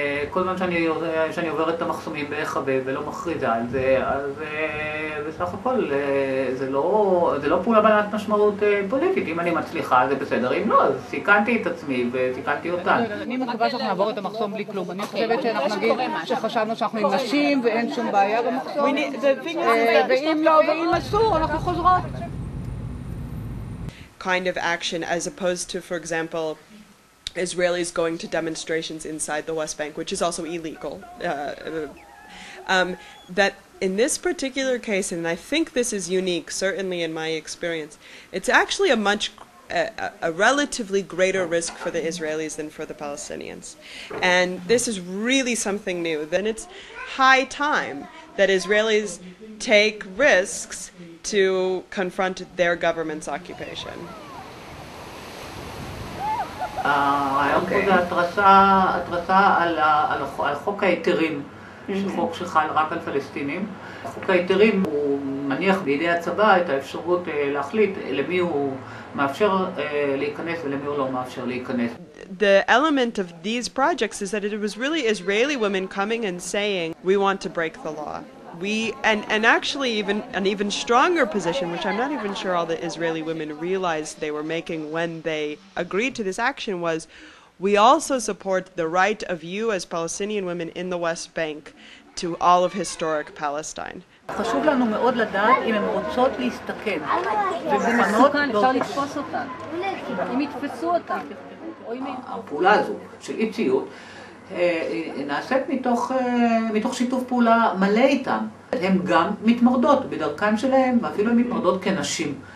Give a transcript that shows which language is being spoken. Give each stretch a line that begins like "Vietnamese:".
Hebrew: כל זמן שאני עוברת את המחסומים בהיחבא ולא מכריזה על זה, אז בסך הכל זה לא פעולה בעלת משמעות פוליטית. אם אני מצליחה זה בסדר, אם לא, אז סיכנתי את עצמי וסיכנתי אותן. אני מקווה שאנחנו נעבור את המחסום בלי כלום. אני חושבת שאנחנו נגיד שחשבנו שאנחנו עם נשים ואין שום בעיה במחסום. ואם לא ואם אסור, אנחנו חוזרות.
English: kind of action as opposed to, for example, Israelis going to demonstrations inside the West Bank, which is also illegal. That in this particular case, and I think this is unique, certainly in my experience, it's actually a much, a relatively greater risk for the Israelis than for the Palestinians. And this is really something new. Then it's high time that Israelis take risks to confront their government's occupation.
Hebrew: הרעיון פה זה התרסה על חוק היתרים, חוק שחל רק על פלסטינים. חוק היתרים הוא מניח בידי הצבא את האפשרות להחליט למי הוא מאפשר להיכנס ולמי הוא לא מאפשר להיכנס.
English: The element of these projects is that it was really Israeli women coming and saying, we want to break the law. And actually even an even stronger position, which I'm not even sure all the Israeli women realized they were making when they agreed to this action, was we also support the right of you as Palestinian women in the West Bank to all of historic Palestine.
Hebrew: חשוב לנו מאוד לדעת אם הן רוצות להסתכן. וזה מסוכן, אפשר לתפוס אותן. אם יתפסו אותן. הפעולה הזו של אי ציות, נעשית מתוך שיתוף פעולה מלא איתם. הן גם מתמרדות בדרכן שלהן, ואפילו הן מתמרדות כנשים.